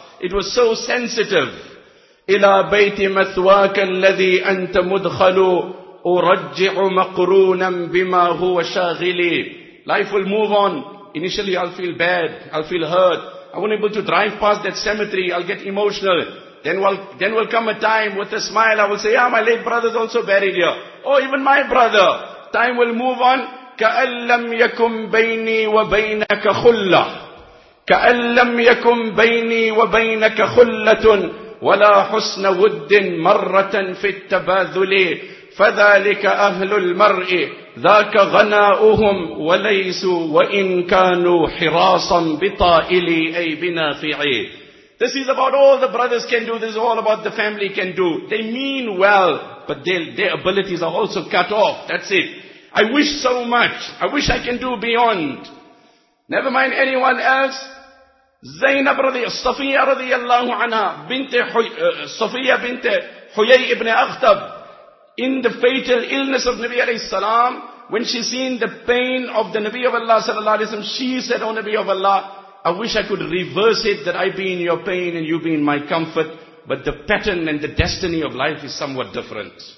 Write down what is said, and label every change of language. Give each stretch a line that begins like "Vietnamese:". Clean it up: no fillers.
English: It was so sensitive.
Arabic: إِلَىٰ بَيْتِ مَثْوَاكَ الَّذِي أَنْتَ مُدْخَلُ أُرَجِّعُ مَقْرُونًا بِمَا هُوَ شَاغِلِي.
English: Life will move on. Initially I'll feel bad. I'll feel hurt. I won't be able to drive past that cemetery. I'll get emotional. Then will come a time with a smile, I will say, yeah, my late brother's also buried here. Oh, even my brother. Time will move on.
Arabic: كَأَلَّمْ يَكُمْ بَيْنِي وَبَيْنَكَ خُلَّةٌ. كأن لم يكن بيني وبينك خلة ولا حسن ود مرة في التباذل فذلك أهل المرء ذاك غناؤهم وليسوا وإن كانوا حراسا بطائلي أي بنافعي.
English: This is about all the brothers can do. This is all about the family can do. They mean well, but their abilities are also cut off. That's it. I wish so much. I wish I can do beyond. Never mind anyone else. Zainab Safiya radiyallahu anha, Safiya bint Huyay ibn Akhtab, in the fatal illness of Nabi alayhi salam, when she seen the pain of the Nabi of Allah sallallahu alayhi wa sallam, she said, O Nabi of Allah, I wish I could reverse it, that I be in your pain and you be in my comfort, but the pattern and the destiny of life is somewhat different.